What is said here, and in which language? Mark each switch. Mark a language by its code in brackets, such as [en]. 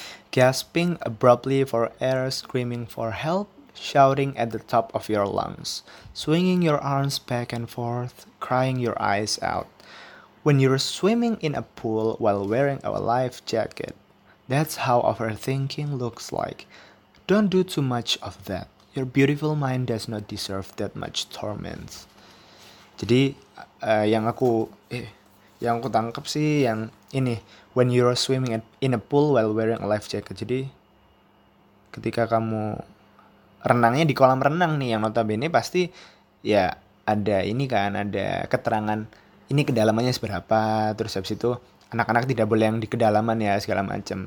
[en] Gasping abruptly for air, screaming for help, shouting at the top of your lungs, swinging your arms back and forth, crying your eyes out. When you're swimming in a pool while wearing a life jacket, that's how overthinking looks like. Don't do too much of that. Your beautiful mind does not deserve that much torment. [id] Jadi, yang aku tangkap sih yang ini. [en] When you're swimming in a pool while wearing a life jacket. [id] Jadi, ketika kamu renangnya di kolam renang nih, yang notabene pasti ya ada ini kan, ada keterangan ini kedalamannya seberapa, terus habis itu anak-anak tidak boleh yang di kedalaman ya, segala macam.